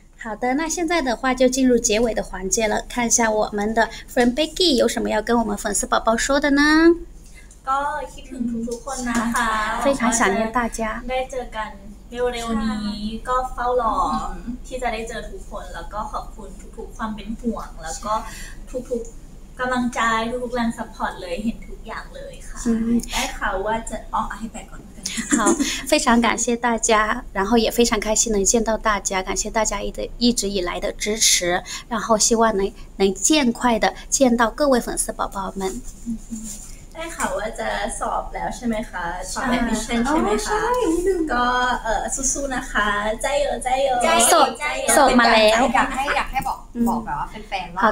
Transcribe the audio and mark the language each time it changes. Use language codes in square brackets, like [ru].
[zh] 好的，那现在的话就进入结尾的环节了，看一下我们的 friend Becky 有什么要跟我们粉丝宝宝说的呢？ [th] ก็คิดถึงทุกคนนะคะ [zh] 非常想念大家 [th] ได้เจอกันเร็วๆนี้ก็เฝ้ารอที่จะได้เจอทุกคนแล้วก็ขอบคุณทุกๆความเป็นห่วงแล้วก็ทุกๆกำลังใจทุกๆแรงซัพพอร์ตเลยเห็นทุกอย่างเลยค่ะได้ข่าวว่าจะอ๋อให้ไปก่อน [zh] 好，非常感谢大家，然后也非常开心能见到大家，感谢大家一直以来的支持，然后希望能尽快的见到各位粉丝宝宝们。 [th] ได้ข่าวว่าจะสอบแล้วใช่ไหมคะสอบแอดมิชชั่นใช่ ไห มคะก็สู้ๆนะคะใจเย็นใจเย็น สอบ ใจเย็น สอบมาแล้ว อยากให้บอกแบบว่าแฟนๆว่า